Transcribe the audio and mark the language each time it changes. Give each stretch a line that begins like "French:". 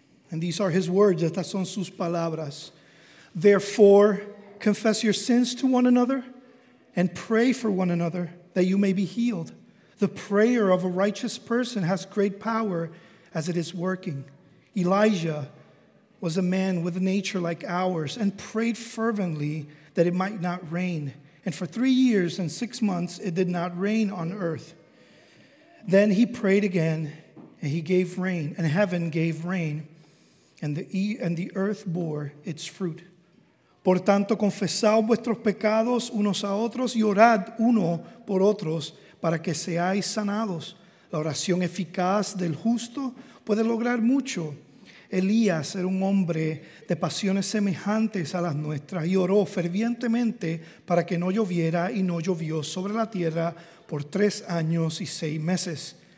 English: And these are his words.
Spanish: Estas son sus palabras.
English: Therefore, confess your sins to one another and pray for one another that you may be healed. The prayer of a righteous person has great power as it is working. Elijah was a man with a nature like ours and prayed fervently that it might not rain. And for 3 years and 6 months, it did not rain on earth. Then he prayed again and he gave rain and heaven gave rain. And the earth bore its fruit.
Spanish: Por tanto, confesad vuestros pecados unos a otros y orad uno por otros para que seáis sanados. La oración eficaz del justo puede lograr mucho. Elías era un hombre de pasiones semejantes a las nuestras y oró fervientemente para que no lloviera y no llovió sobre la tierra por 3 años y 6 meses.